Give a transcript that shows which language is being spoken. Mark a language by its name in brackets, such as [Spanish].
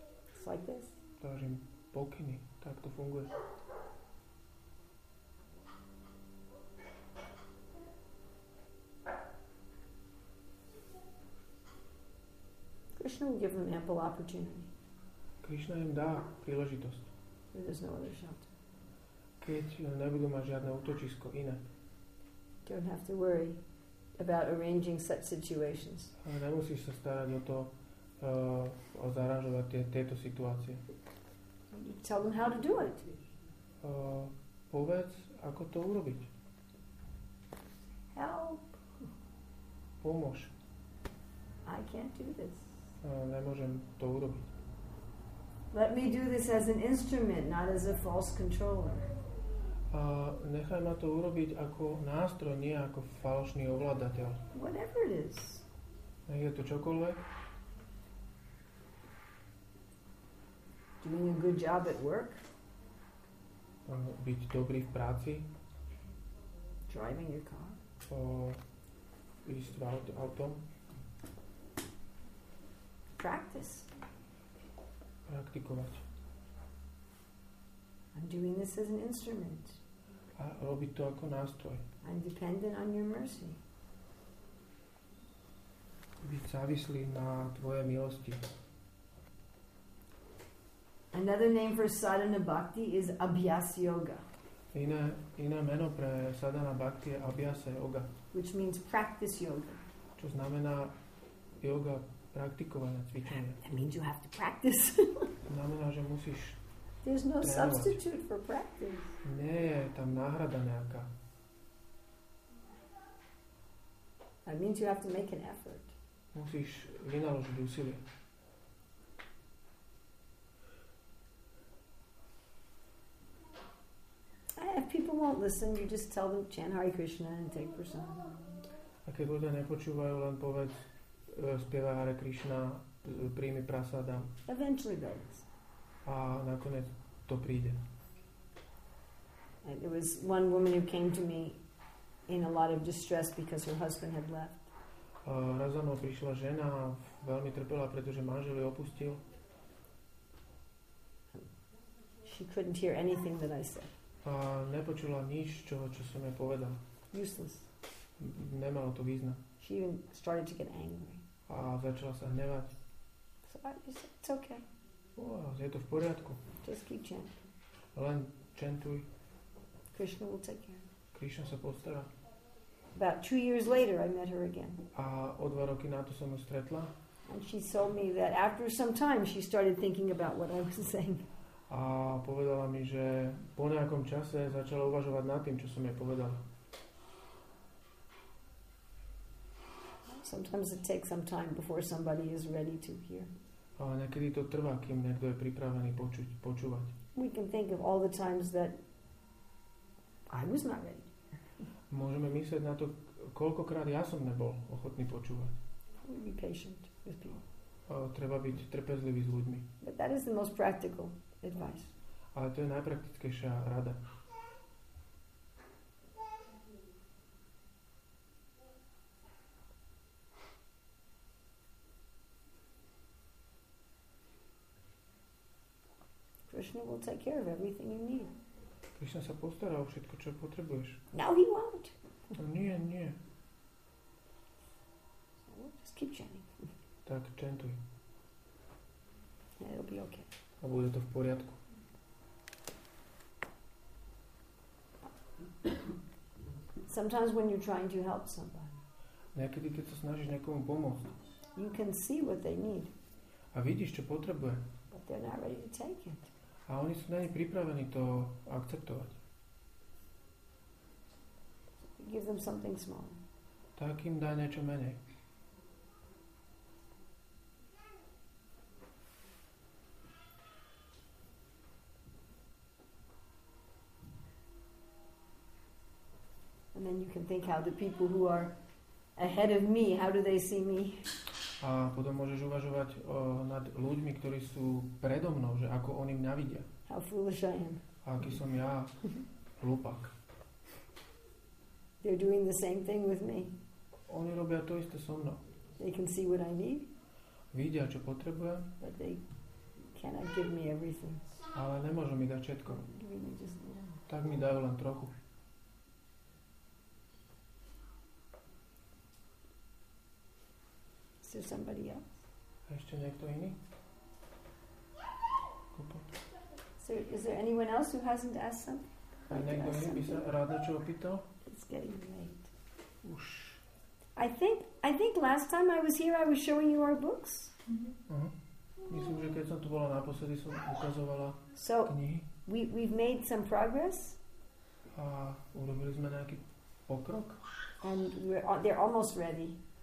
[English] It's like this. [Slovak] Dáš im pokyny. Tak to funguje. [English] Krishna will give them ample opportunity. [Slovak] Krishna im dá príležitosť. [English] There's no other shelter. [Slovak] Keď nebudú mať žiadne útočisko iné. [English] Don't have to worry about arranging such situations. [Slovak] A nemusíš sa starať o to, o zaranžovať tieto situácie. [English] Tell them how to do it. [Slovak] Povedz, ako to urobiť. [English] Help. [Slovak] Pomôž. [English] I can't do this. [Slovak] Nemôžem to urobiť. [English] Let me do this as an instrument, not as a false controller. [Slovak] Nechaj ma to urobiť ako nástroj, nie ako falošný ovládateľ. [English] Whatever it is. [Slovak] Nech je to čokoľvek. [English] Doing a good job at work. [Slovak] Byť dobrý v práci. [English] Driving your car. [Slovak] Ísť autom. [English] Practice. [Slovak] Praktikovať. [English] I'm doing this as an instrument. [Slovak] A robiť to ako nástroj. [English] I'm dependent on your mercy. [Slovak] Byť závislý na tvoje milosti. [English] Another name for sadhana bhakti is abhyas yoga. [Slovak] Iné meno pre sadhana bhakti je abhyasa yoga. [English] Which means practice yoga. [Slovak] Čo znamená yoga, praktikovanie, cvičenie. [English] That means you have to practice. [Slovak] Znamená, že musíš. [English] There's no substitute for practice. [Slovak] Nie je tam náhrada nejaká. [English] That means you have to make an effort. [Slovak] Musíš vynaložiť úsilie. [English] If people won't listen, you just tell them chant Hare Krishna and take prasad. [Slovak] A keď ľudia nepočúvajú, len povedz spieva Hare Krishna, príjmi prasadam. [English] Eventually they'll listen. [Slovak] A nakoniec to príde. [English] And there was one woman who came to me in a lot of distress because her husband had left. [Slovak] Raz za mnou prišla žena a veľmi trpela, pretože manžel ju opustil. [English] She couldn't hear anything that I said. [Slovak] A nepočula nič, čo som jej povedal. [English] Useless. [Slovak] Nemalo to význam. [English] She even started to get angry. [Slovak] A začala sa hnevať. [English] So it's okay. [Slovak] Je to v poriadku. [English] Just keep chanting. [Slovak] Len chantuj. [English] Krishna will take care. [Slovak] Krishna sa postará. [English] About 2 years later I met her again. [Slovak] A o 2 roky na to som ju stretla. [English] And she told me that after some time she started thinking about what I was saying. [Slovak] A povedala mi, že po nejakom čase začala uvažovať nad tým, čo som jej povedal. [English] Sometimes it takes some time before somebody is ready to hear. [Slovak] A niekedy to trvá, kým niekto je pripravený počúvať. [English] We can think of all the times that I was not ready. [Slovak] Môžeme myslieť na to, koľkokrát ja som nebol ochotný počúvať. [English] Be patient with people. [Slovak] Treba byť trpezlivý s ľuďmi. [English] But that is the most practical advice. [Slovak] Ale to je najpraktickejšia rada. [English] Krishna will take care of everything you need. [Slovak] Krishna sa postará o všetko, čo potrebuješ. [English] No, he won't. [Slovak] Nie, nie. [English] So just keep chanting. [Slovak] Tak, chantuj. [English] Yeah, it'll be okay. [Slovak] A bude to v poriadku. [English] Sometimes when you're trying to help somebody. [Slovak] Niekedy, keď sa snažíš niekomu pomôcť. [English] You can see what they need. [Slovak] A vidíš, čo potrebuje. [English] But they're not ready to take it. [Slovak] A oni sú není pripravení to akceptovať. [English] Give them something small. [Slovak] Tak im daj niečo menej. [English] and then you can think how the people who are ahead of me, how do they see me? [Slovak] A potom môžeš uvažovať nad ľuďmi, ktorí sú predo mnou, že ako oni mňa vidia. [English] How foolish I am. [Slovak] A aký som ja hlupák. [English] They're doing the same thing with me. [Slovak] Oni robia to isté so mnou. [English] They can see what I need. [Slovak] Vidia, čo potrebujem. [English] But they cannot give me everything. [Slovak] Ale nemôžu mi dať všetko. Tak mi dajú len trochu. [English] Is there somebody else? [Slovak] Ešte niekto iný? [English] So is there anyone else who hasn't asked something? [Slovak] Niekto iný by sa rád niečo opýtal? [English] It's getting late. [Slovak] Už. [English] I think last time I was here I was showing you our books. [Slovak] Myslím, že keď som tu bola naposledy, som ukazovala knihy. [English] We've made some progress. [Slovak] A urobili sme nejaký pokrok. [English] And they're almost ready.